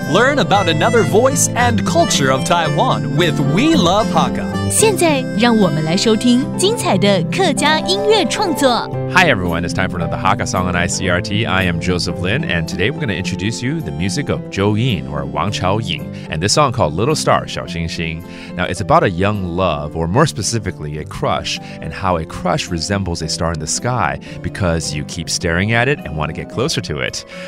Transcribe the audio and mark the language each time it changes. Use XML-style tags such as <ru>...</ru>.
<en>Learn about another voice and culture of Taiwan with We Love Hakka.</en> <zh>现在让我们来收听精彩的客家音乐创作。</zh> <en>Hi everyone, it's time for another Hakka song on ICRT. I am Joseph Lin, and today we're going to introduce you the music of 周韵or 王喬尹, and this song called Little Star, 小星星. Now, it's about a young love, or more specifically, a crush, and how a crush resembles a star in the sky because you keep staring at it and want to get closer to it.</en>